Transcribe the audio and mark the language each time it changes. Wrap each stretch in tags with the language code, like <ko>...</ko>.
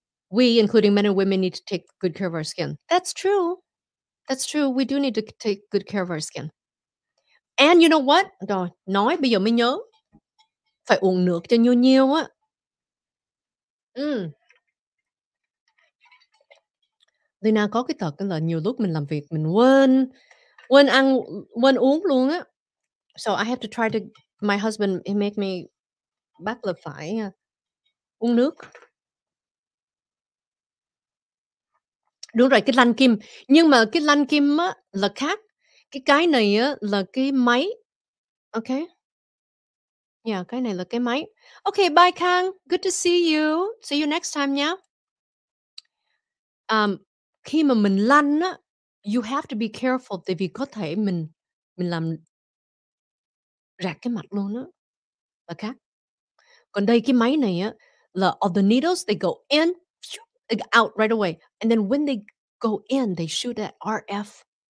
<en>We, including men and women, need to take good care of our skin. That's true. That's true. We do need to take good care of our skin. And you know what?</en> <vi>Nói bây giờ mới nhớ. Phải uống nước cho nhiều nhiều á. Lina có cái tật là nhiều lúc mình làm việc mình quên uống luôn á.</vi> <en>So I have to try to, my husband, he make me</en> <vi>bắt là phải uống nước. Đúng rồi, cái lanh kim. Nhưng mà cái lanh kim á, là khác. Cái này á, là cái máy. Ok. Yeah, cái này là cái máy. Ok, bye Khang.</vi> <en>Good to see you. See you next time nha.</en> <vi>Khi mà mình lanh á,</vi> <en>you have to be careful.</en> <vi>Tại vì có thể mình làm rạc cái mặt luôn á. Là khác. Còn đây cái máy này á, là</vi> <en>all the needles, they go in, out right away. And then when they go in, they shoot at RF.</en>